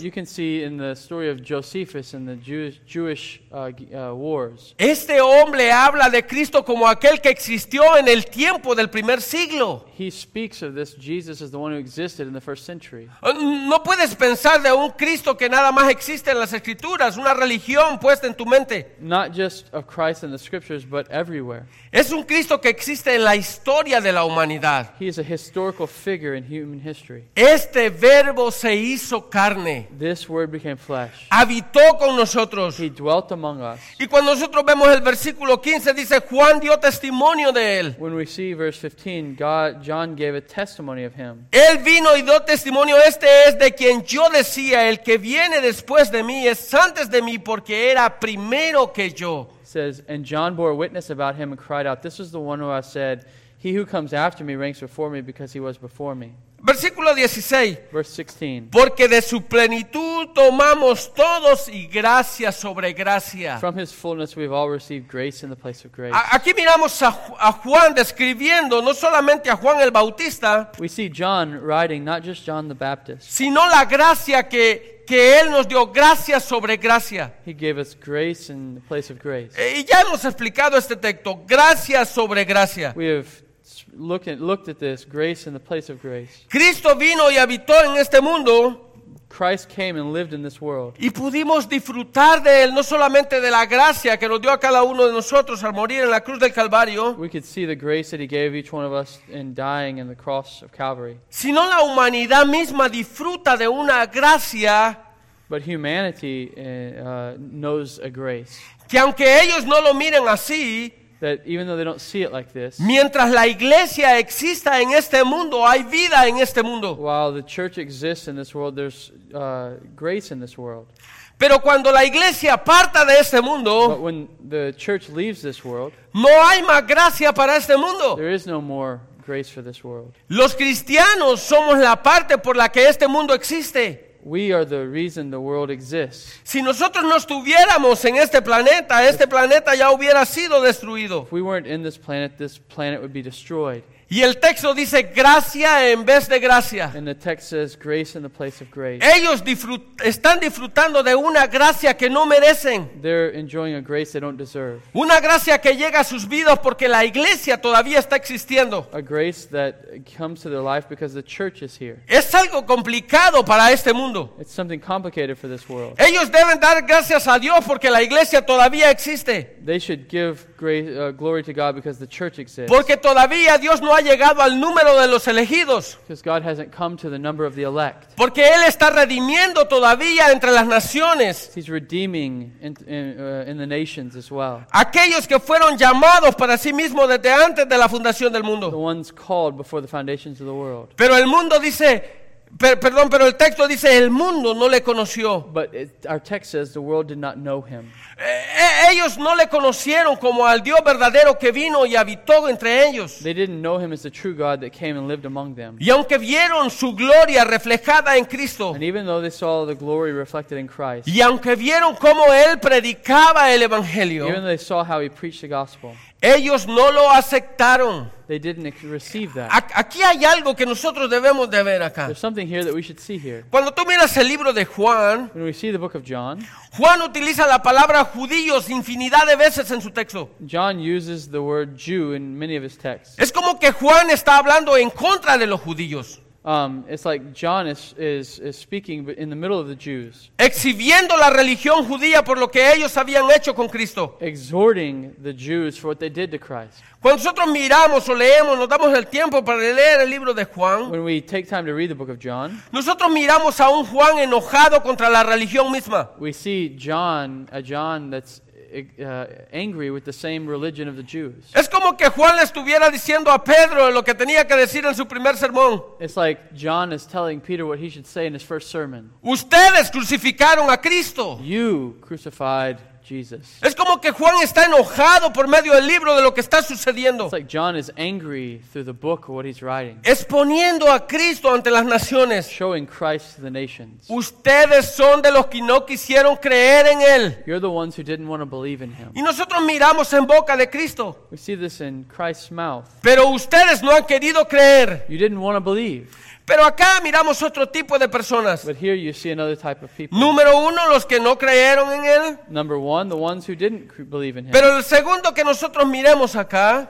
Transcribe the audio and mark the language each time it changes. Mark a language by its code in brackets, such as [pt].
[en] You can see in the story of Josephus and the Jewish wars. [es] Este hombre habla de Cristo como aquel que existió en el tiempo del primer siglo. [en] He speaks of this Jesus as the one who existed in the first century. [es] No puedes pensar de un Cristo que nada más existe en las escrituras, una religión puesta en tu mente. [en] Not just of Christ in the scriptures, but everywhere. [es] Es un Cristo que existe en la historia de la humanidad. [en] He is a historical figure in human history. [es] Este verbo se hizo carne. [en] This word became flesh. [es] Habitó con nosotros. [en] He dwelt among us. [es] Y cuando nosotros vemos el versículo 15 dice Juan dio testimonio de él. [en] When we see verse 15, John gave a testimony of him. [es] Él vino y dio testimonio, este es de quien yo decía, el que viene después de mí es antes de mí porque era primero que yo. [en] Says, and John bore witness about him and cried out, this is the one who I said, he who comes after me ranks before me because he was before me. [es] Versículo 16. [en] Verse 16. [es] Porque de su plenitud tomamos todos y gracia sobre gracia. [en] From his fullness we've all received grace in the place of grace. [es] Aquí miramos a Juan describiendo no solamente a Juan el Bautista. [en] We see John writing, not just John the Baptist. [es] Sino la gracia que él nos dio gracia sobre gracia. [en] He gave us grace in the place of grace. [es] Y ya hemos explicado este texto, gracia sobre gracia. [en] We have looked at this, grace in the place of grace. [es] Cristo vino y habitó en este mundo. [en] Christ came and lived in this world. [es] Y pudimos disfrutar de él, no solamente de la gracia que nos dio a cada uno de nosotros al morir en la cruz del Calvario. [en] We could see the grace that he gave each one of us in dying in the cross of Calvary. [es] Sino la humanidad misma disfruta de una gracia. [en] But humanity knows a grace. [es] Que aunque ellos no lo miren así, [en] that even though they don't see it like this, [es] mientras la iglesia exista en este mundo, hay vida en este mundo. [en] While the church exists in this world, there's grace in this world. [es] Pero cuando la iglesia parta de este mundo, [en] but when the church leaves this world, [es] no hay más gracia para este mundo. [en] There is no more grace for this world. [es] Los cristianos somos la parte por la que este mundo existe. [en] We are the reason the world exists. [es] Si nosotros no estuviéramos en este planeta ya hubiera sido destruido. [en] If we weren't in this planet would be destroyed. [es] Y el texto dice gracia en vez de gracia. [en] And the text says grace in the place of grace. [es] Ellos están disfrutando de una gracia que no merecen. [en] They're enjoying a grace they don't deserve. [es] Una gracia que llega a sus vidas porque la iglesia todavía está existiendo. [en] A grace that comes to their life because the church is here. [es] Es algo complicado para este mundo. [en] It's something complicated for this world. [es] Ellos deben dar gracias a Dios porque la iglesia todavía existe. [en] They should give glory to God because the church exists. [es] Porque todavía Dios no ha llegado al número de los elegidos. [en] Because God hasn't come to the number of the elect. [es] Porque Él está redimiendo todavía entre las naciones. [en] He's redeeming in the nations as well. [es] Aquellos que fueron llamados para sí mismos desde antes de la fundación del mundo. [en] The ones called before the foundations of the world. [es] Pero el mundo dice, pero el texto dice, el mundo no le conoció. [en] But our text says the world did not know him. [es] Ellos no le conocieron como al Dios verdadero que vino y habitó entre ellos. [en] They didn't know him as the true God that came and lived among them. [es] Y aunque vieron su gloria reflejada en Cristo. [en] And even though they saw the glory reflected in Christ. [es] Y aunque vieron cómo él predicaba el evangelio. [en] Even though they saw how he preached the gospel. [es] Ellos no lo aceptaron. [en] They didn't receive that. [es] Aquí hay algo que nosotros debemos de ver acá. [en] There's something here that we should see here. [es] Cuando tú miras el libro de Juan, [en] when we see the book of John, [es] Juan utiliza la palabra judíos infinidad de veces en su texto. [en] John uses the word Jew in many of his texts. [es] Es como que Juan está hablando en contra de los judíos. [en] It's like John is speaking in the middle of the Jews. [es] Exhibiendo la religión judía por lo que ellos habían hecho con Cristo. [en] Exhorting the Jews for what they did to Christ. [es] Cuando nosotros miramos o leemos, nos damos el tiempo para leer el libro de Juan. [en] When we take time to read the book of John. [es] Nosotros miramos a un Juan enojado contra la religión misma. [en] We see a John that's angry with the same religion of the Jews. [es] Es como que Juan le estuviera diciendo a Pedro lo que tenía que decir en su primer sermón. [en] It's like John is telling Peter what he should say in his first sermon. [es] Ustedes crucificaron a Cristo. [en] You crucified Jesus. [es] Es como que Juan está enojado por medio del libro de lo que está sucediendo. [en] It's like John is angry through the book of what he's writing. [es] Exponiendo a Cristo ante las naciones. [en] Showing Christ to the nations. [es] Ustedes son de los que no quisieron creer en él. [en] You're the ones who didn't want to believe in him. [es] Y nosotros miramos en boca de Cristo. [en] We see this in Christ's mouth. [es] Pero ustedes no han querido creer. [en] You didn't want to believe. [es] Pero acá miramos otro tipo de personas. [en] But here you see another type of people. [es] Número uno, los que no creyeron en él. [en] Number one, the ones who didn't believe in him. [es] Pero el segundo que nosotros miremos acá.